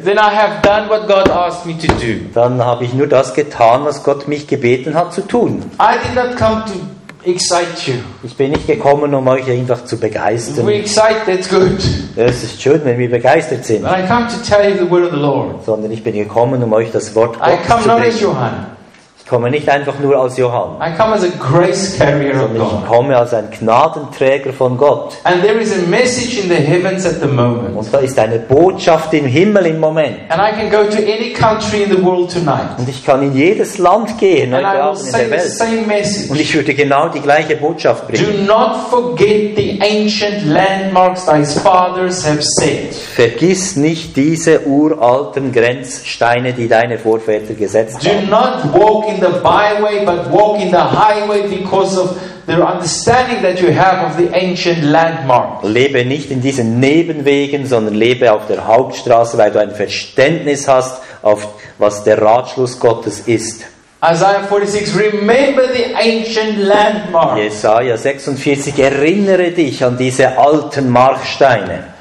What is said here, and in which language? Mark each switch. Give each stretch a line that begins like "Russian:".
English: then I have done what God asked me to do.
German: Dann habe ich nur das getan, was Gott mich gebeten hat zu tun.
English: I did not come to excite you.
German: Ich bin nicht gekommen, um euch einfach zu begeistern.
English: We excite, that's good.
German: Es ist schön, wenn wir begeistert sind.
English: But I come to tell you the word of the Lord.
German: Sondern ich bin gekommen, um euch das Wort Gottes
English: I come
German: zu bringen.
English: Not as Johann.
German: Ich komme nicht einfach nur als Johann.
English: I come as a grace carrier of God.
German: Ich komme als ein Gnadenträger von Gott.
English: And there is a message in the heavens at the moment.
German: Und da ist eine Botschaft im Himmel im Moment.
English: And I can go to any country in the world tonight.
German: Und ich kann in jedes Land gehen,
English: and
German: heute
English: I will
German: Abend
English: say
German: in der Welt.
English: The same message.
German: Und ich würde genau die gleiche Botschaft bringen.
English: Do not forget the ancient landmarks thy fathers have set.
German: Vergiss nicht diese uralten Grenzsteine, die deine Vorväter gesetzt
English: do
German: haben.
English: Do not walk in the byway, but walk in the highway because of the understanding that you have of the ancient landmarks.
German: Lebe nicht in diesen Nebenwegen, sondern lebe auf der Hauptstraße, weil du ein Verständnis hast, auf was der Ratschluss Gottes ist.
English: Isaiah 46, remember the ancient landmarks.
German: Jesaja 46, erinnere dich an diese alten Marksteine.